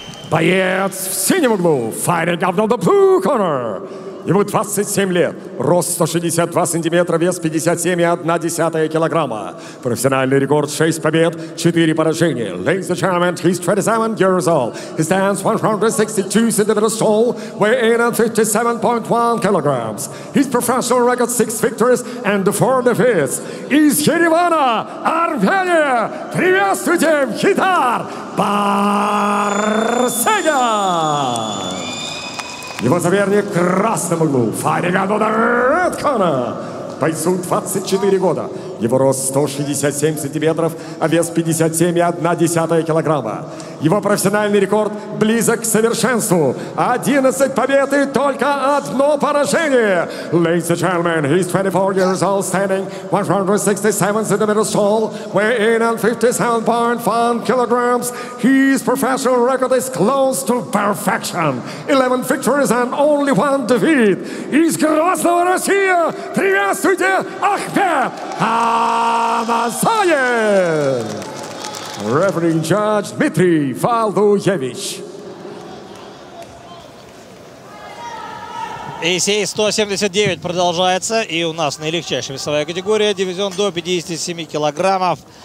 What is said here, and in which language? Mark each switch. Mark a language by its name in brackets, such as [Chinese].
[Russian] Боец в синем углу, [English] firing up on the blue corner. [Russian] Ему 27 лет, рост 162 сантиметра, вес 57,1 килограмма. Профессиональный рекорд 6 побед, 4 поражения. [English] Ladies and gentlemen, he's 27 years old. He stands 162 centimeters tall, weighs 57.1 kilograms. His professional record 6 victories and 4 defeats. [Russian] Из Еревана, Армения, приветствуйте в Хитар Барсега! Его соперник в красном углу, [English] fighting out of the red corner. [Russian] Бойцу 24 года. Его рост 167 сантиметров, а вес 57,1 килограмма. Его профессиональный рекорд близок к совершенству. 11 побед и только одно поражение. [English] Ladies and gentlemen, he's 24 years old, standing 167 centimeters tall, weighing 57.5 kilograms. His professional record is close to perfection. 11 victories and only one defeat. [Russian] Из Красного Россия приветствуйте Ахмед Амазаев! [English] Reverend Judge Дмитрий Валдуевич. [Russian] ACA 179 продолжается, и у нас наилегчайшая весовая категория, дивизион до 57 килограммов.